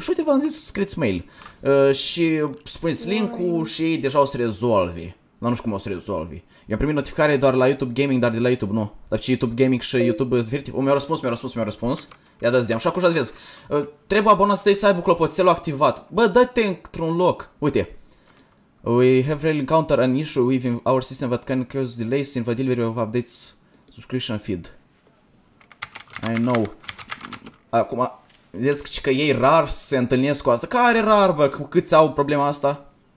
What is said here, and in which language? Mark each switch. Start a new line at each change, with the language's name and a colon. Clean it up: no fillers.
Romanian: Și uite, v-am zis să scrieți mail. Și spuneți link-ul și ei deja o să rezolvi. Dar nu știu cum o să rezolvi. Eu am primit notificare doar la YouTube Gaming, dar de la YouTube nu. Dar ce YouTube Gaming și YouTube sunt diferite? Mi-a răspuns. Ia dați deam. Și acum vezi. Trebuie abonați tăi să aibă clopoțelul activat. Bă, dă-te într-un loc. Uite.
English: We have really encountered an issue within our system that can cause delays in the delivery of updates subscription feed. I know.
Romanian: Acum, vezi că ei rar se întâlnesc cu asta. Care rar, bă, cu câți au problema asta?